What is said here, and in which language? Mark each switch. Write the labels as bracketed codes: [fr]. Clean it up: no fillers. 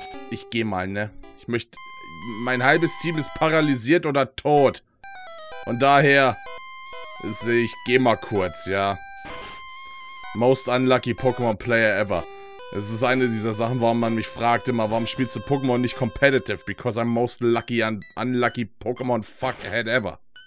[de] Ich geh mal, ne? Ich möchte. Mein halbes Team ist paralysiert oder tot. Und daher. Ich geh mal kurz, ja? [en] Most unlucky Pokémon player ever. [de] Es ist eine dieser Sachen, warum man mich fragt immer, warum spielst du Pokémon nicht competitive? [en] Because I'm most lucky and unlucky Pokémon fuckhead ever.